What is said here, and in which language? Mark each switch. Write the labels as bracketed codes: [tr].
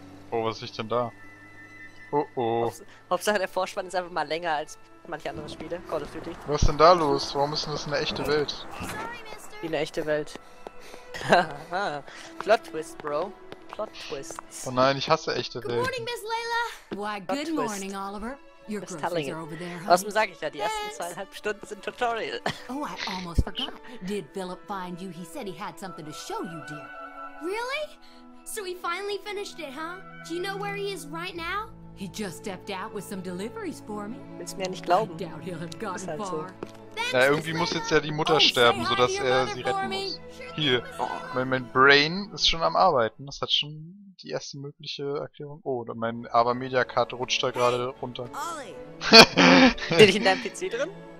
[de] Oh, was ist denn da? Oh oh. Hauptsache der Vorspann ist einfach mal länger als manche andere Spiele. Call of Duty. Was ist denn da los? Warum ist denn das eine echte Welt? Wie eine echte Welt. Plot Twist, Bro. Plot Twist. Oh nein, ich hasse echte Welt. [en] Good morning, Miss Layla. Why, good morning, Oliver. Your groceries are over there. [de] Was sag ich ja, die ersten 2,5 Stunden sind Tutorial. [en] Oh, I almost forgot. Did Philip find you? He said he had something to show you, dear. Really? So he finally finished it, huh? Do you know where he is right now? He just stepped out with some deliveries for me. [de] Willst mir nicht glauben. [en] I doubt he'll have gotten far. [de] Halt so. Ja, irgendwie muss jetzt ja die Mutter sterben, sodass er sie retten muss. Hier, mein Brain ist schon am Arbeiten. Das hat schon die erste mögliche Erklärung. Oh, mein Abermedia-Card rutscht da gerade runter. Bin ich in deinem PC drin?